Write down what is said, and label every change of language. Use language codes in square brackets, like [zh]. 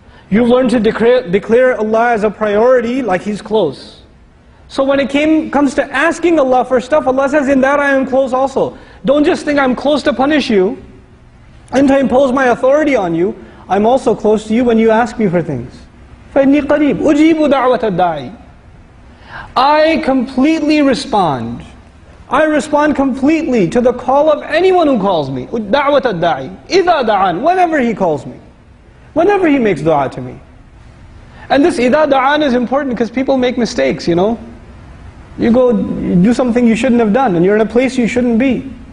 [en] You learn to declare Allah as a priority like He's close. So when it comes to asking Allah for stuff, Allah says, in that I am close also. Don't just think I'm close to punish you and to impose my authority on you. I'm also close to you when you ask me for things. [ar] فَإِنِّي قَرِيبٌ أُجِيبُ دَعْوَةَ الدَّاعِي [en] I completely respond. I respond completely to the call of anyone who calls me. [ar] دَعْوَةَ الدَّاعِي إِذَا دَعَانِ [en] Whenever he calls me. Whenever he makes dua to me. And this [ar] إِذَا دَعَانِ [en] is important because people make mistakes, you know. You go do something you shouldn't have done and you're in a place you shouldn't be.